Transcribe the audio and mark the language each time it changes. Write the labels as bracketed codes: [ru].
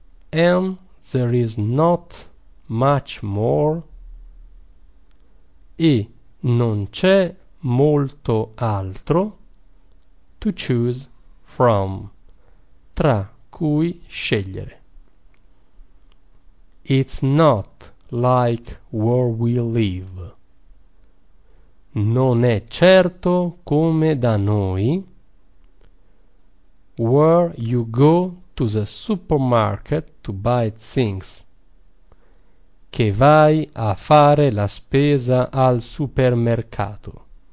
[en] And there is not much more. [it] E non c'è molto altro [en] to choose from, [it] tra cui scegliere. [en] It's not like where we live. [it] Non è certo come da noi, [en] where you go to the supermarket to buy things, [it] che vai a fare la spesa al supermercato.